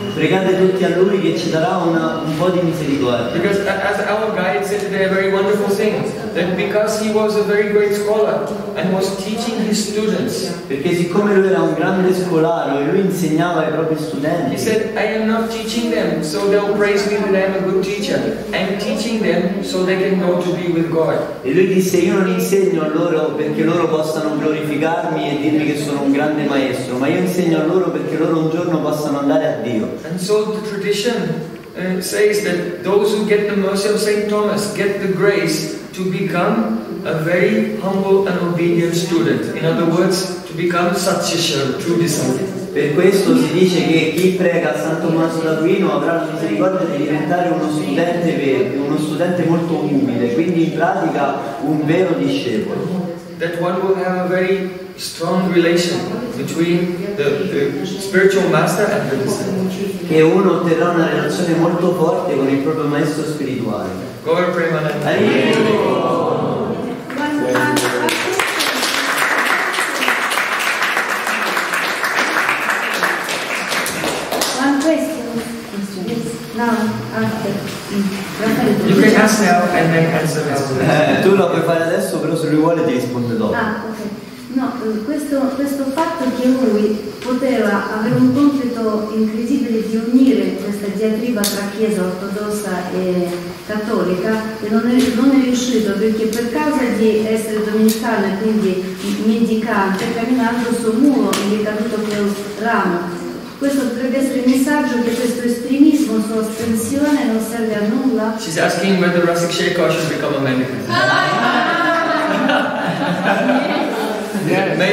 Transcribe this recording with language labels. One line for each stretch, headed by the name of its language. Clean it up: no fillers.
Italian: Pregate tutti a lui che ci darà un po' di misericordia.
English: Because as our guide said today, a very wonderful thing, that because he was a very great scholar and was teaching his students.
Italian: Perché siccome lui era un grande scolaro e lui insegnava ai propri studenti.
English: He said, I am not teaching them so they'll praise me that I am a good teacher. I'm teaching them so they can go to be with God.
Italian: E lui disse, io non insegno a loro perché loro possano glorificarmi e dirmi che sono un grande maestro, ma io insegno a loro perché loro un giorno possano andare a Dio.
English: And so the tradition says that those who get the mercy of Saint Thomas get the grace to become a very humble and obedient student. In other words, to become such a true disciple.
Italian: Per questo si dice che chi prega San Tommaso d'Aquino avrà la misericordia di diventare uno studente vero, uno studente molto umile, quindi in pratica un vero discepolo.
English: That one will have a very strong relation between the spiritual master and the disciple.
Italian: Che uno otterrà una relazione molto forte con il proprio maestro spirituale.
English: Gaura Premananda. One question. No, after. You can ask now and then answer after.
Italian: Tu lo puoi fare adesso, però se lui vuole ti risponde dopo. Ah, ok. No, questo fatto che lui poteva avere un compito incredibile di unire questa diatriba tra Chiesa ortodossa e cattolica, e non è riuscito, perché per causa di essere domenicano, quindi mendicante, camminando sul muro gli è caduto quel ramo. Questo potrebbe essere il messaggio che questo estremismo, sua astensione, non serve a nulla.
English: She's asking whether Rasik Sheikha should become a mendicant.